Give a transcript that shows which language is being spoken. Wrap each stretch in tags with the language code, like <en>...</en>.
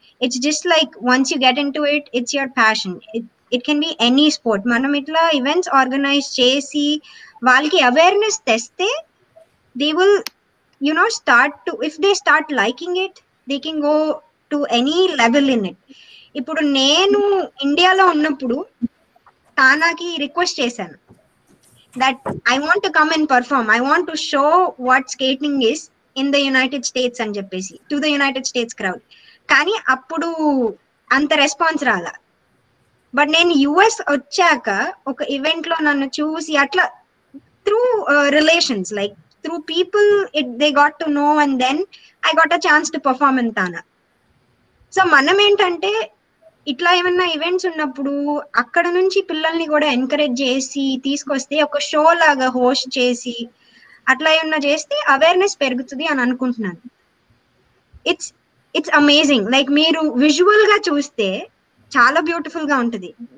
<en>It's just like once you get into it, it's your passion. It can be any sport.</en> <te>మనం ఇట్లా events organise చేసి వాళ్ళకి awareness తెస్తే</te> <en>They will you know start to, if they start liking it they can go to any level in it.</en> <te>ఇప్పుడు నేను ఇండియాలో ఉన్నప్పుడు తానాకి request చేశాను</te> <en>that I want to come and perform, I want to show what skating is in the United States and Japan to the United States crowd.</en> <te>Kani appudu anta response raala,</te> <en>but</en> <te>nen US ochaka oka event lo nannu chusi atla</te> <en>through relations, like through people they got to know, and then I got a chance to perform in Tana.</en> <te>So manam entante ఇట్లా ఏమన్నా events ఉన్నప్పుడు అక్కడ నుంచి పిల్లల్ని కూడా encourage చేసి తీసుకొస్తే ఒక షో లాగా హోస్ట్ చేసి అట్లా ఏమన్నా చేస్తే అవేర్నెస్ పెరుగుతుంది అని అనుకుంటున్నాను.</te> <en>it's amazing,</en> <te>లైక్ మీరు విజువల్ గా చూస్తే చాలా బ్యూటిఫుల్ గా ఉంటుంది.</te>